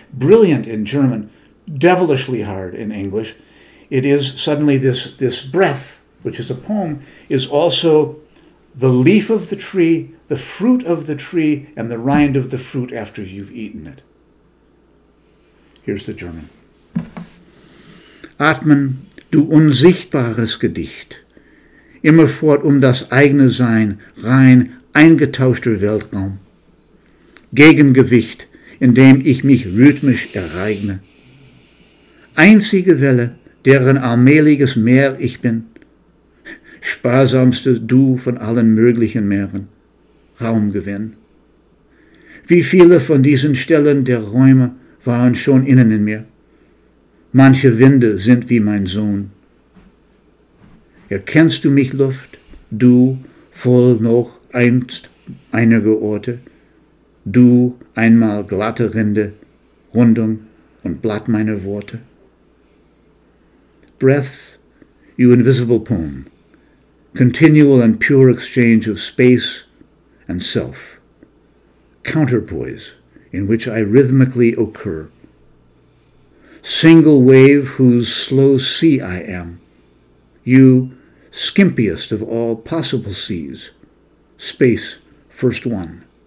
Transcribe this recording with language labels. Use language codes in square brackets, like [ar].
[en] Brilliant in German, devilishly hard in English. It is suddenly this breath, which is a poem, is also the leaf of the tree, the fruit of the tree, and the rind of the fruit after you've eaten it. Here's the German. [de] Atmen. Du unsichtbares Gedicht, immerfort um das eigene Sein rein eingetauschte Weltraum. Gegengewicht, in dem ich mich rhythmisch ereigne. Einzige Welle, deren allmähliges Meer ich bin. Sparsamste Du von allen möglichen Meeren. Raumgewinn. Wie viele von diesen Stellen der Räume waren schon innen in mir. Manche Winde sind wie mein Sohn. Erkennst du mich, Luft, du voll noch einst einige Orte, du einmal glatte Rinde, Rundung und Blatt meiner Worte? [en] Breath, you invisible poem, continual and pure exchange of space and self, counterpoise in which I rhythmically occur, single wave whose slow sea I am, you skimpiest of all possible seas, space first one.